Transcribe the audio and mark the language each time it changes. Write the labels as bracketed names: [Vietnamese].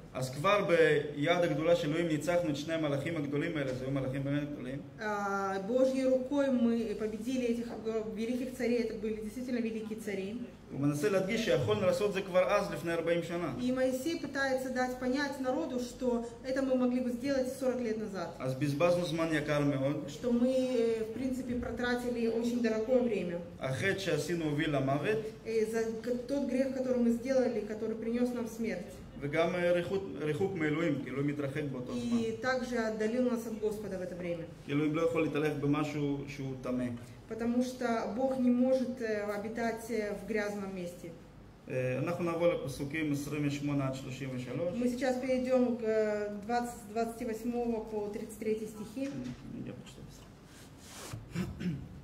[Hebrew] אז כבר ביד הגדולה של אלוהים ניצחנו את שני המלאכים הגדולים האלה, זהו מלאכים באמת גדולים. [Russian] Божьей рукой мы победили этих великих царей, это были действительно великие цари. [Hebrew] הוא מנסה להדגיש שיכולנו לעשות זה כבר אז, לפני 40 שנה. [Russian] И Моисей пытается дать понять народу, что это мы могли бы сделать 40 лет назад. [Hebrew] אז בזבזנו זמן יקר מאוד. [Russian] Что мы, в принципе, потратили очень дорогое время. [Hebrew] החטא שעשינו הוביל למוות. [Russian] За тот грех, который мы сделали, который принес нам смерть. [Hebrew] וגם ריחוק מאלוהים, כי אלוהים מתרחק באותו זמן. [Russian] И также отдалил нас от Господа в это время. [Hebrew] כי אלוהים לא יכול להתהלך במשהו שהוא טמא. [Russian] Потому что Бог не может обитать в грязном месте. [Hebrew] אנחנו נעבור לפסוקים 28-33. [Russian] Мы сейчас перейдем к 28-33 стихи. Я почитаю.